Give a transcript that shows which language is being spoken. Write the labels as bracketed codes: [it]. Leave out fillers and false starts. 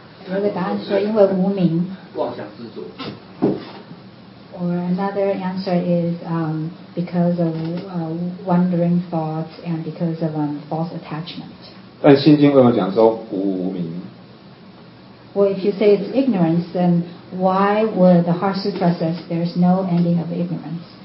[zh] 有一个答案说因为无明。妄想执着。 [en] Or another answer is because of wandering thoughts and because of false attachment. [zh] 但心经为什么讲说无无明？ [en] Well, if you say it's ignorance, then why would the Heart Sutra says there's no ending of ignorance?